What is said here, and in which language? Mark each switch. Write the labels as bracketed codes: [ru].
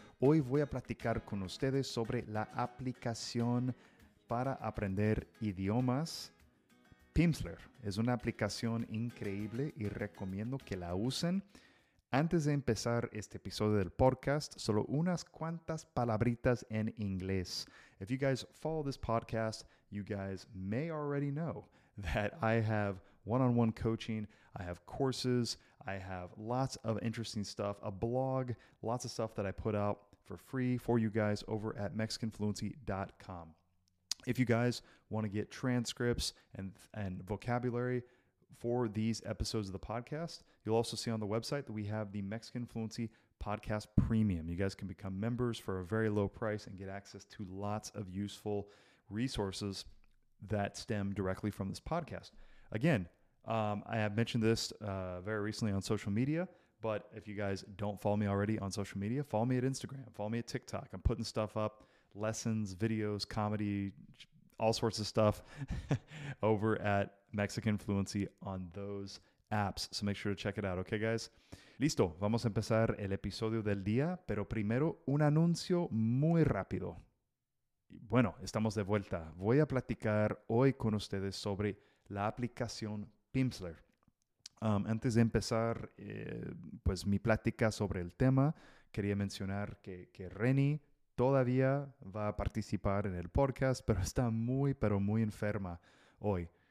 [es] Hoy voy a platicar con ustedes sobre la aplicación para aprender idiomas. Pimsleur es una aplicación increíble y recomiendo que la usen. Antes de empezar este episodio del podcast, solo unas cuantas palabritas en inglés. [en] If you guys follow this podcast, you guys may already know that I have one-on-one coaching, I have courses, I have lots of interesting stuff, a blog, lots of stuff that I put out for free for you guys over at mexicanfluency.com. If you guys want to get transcripts and vocabulary for these episodes of the podcast, you'll also see on the website that we have the Mexican Fluency Podcast Premium. You guys can become members for a very low price and get access to lots of useful resources that stem directly from this podcast. Again, I have mentioned this very recently on social media, but if you guys don't follow me already on social media, follow me at Instagram, follow me at TikTok. I'm putting stuff up, lessons, videos, comedy, all sorts of stuff over at Mexican Fluency on those apps. So make sure to check it out. Okay, guys? [es] Listo. Vamos a empezar el episodio del día, pero primero un anuncio muy rápido. Bueno, estamos de vuelta. Voy a platicar hoy con ustedes sobre la aplicación Pimsleur. Antes de empezar pues mi plática sobre el tema, quería mencionar que Reni todavía va a participar en el podcast, pero está muy enferma hoy.